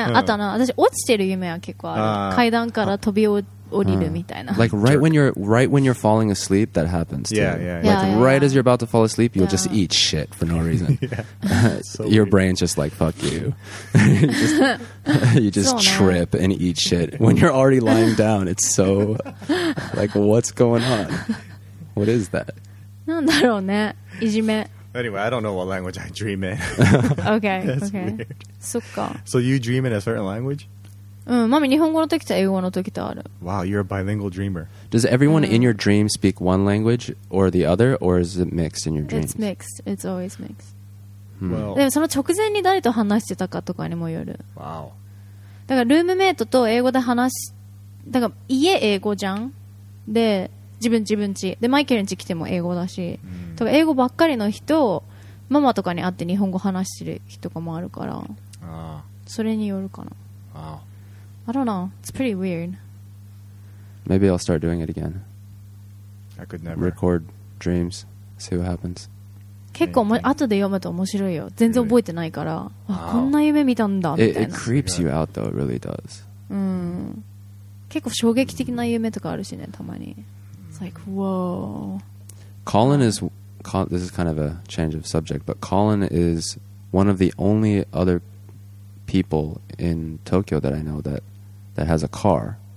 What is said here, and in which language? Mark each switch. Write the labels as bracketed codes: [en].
[ja] あとあの、私落ちてる夢は結構ある。階段から飛び降りるみたいな。 [en] Like right when you're falling asleep, that happens too. Yeah. Right as you're about to fall asleep, you'll just eat shit for no reason. Your brain's just like, fuck you. you just trip and eat shit when you're already lying down. It's so, like, what's going on? What is that? [ja] なんだろうね。いじめ。 [en] Anyway, I don't know what language I dream in. okay. That's okay. weird. [ja] そっか。 [en] So you dream in a certain language? [ja] うん、マミ日本語の時と英語の時とある。 [en] Wow, you're a bilingual dreamer. Does everyone in your dream speak one language or the other, or is it mixed in your dreams? It's mixed. It's always mixed. Well, [ja] でもその直前に誰と話してたかとかにもよる。 [en] Wow. [ja] だからルームメイトと英語で話し、だから家英語じゃん。で自分ちでマイケルんち来ても英語だし、とか英語ばっかりの人ママとかに会って日本語話してる人とかもあるから、それによるかな。 [en] Wow. I don't know. It's pretty weird. Maybe I'll start doing it again. I could never record dreams. See what happens. [ja] 結構も後で読むと面白いよ。全然覚えてないから、こんな夢見たんだみたいな。 [en] It creeps you out though. It really does. [ja] 結構衝撃的な夢とかあるしね、たまに。 [en] Like, whoa. This is kind of a change of subject, but Colin is one of the only other people in Tokyo that I know that has a car.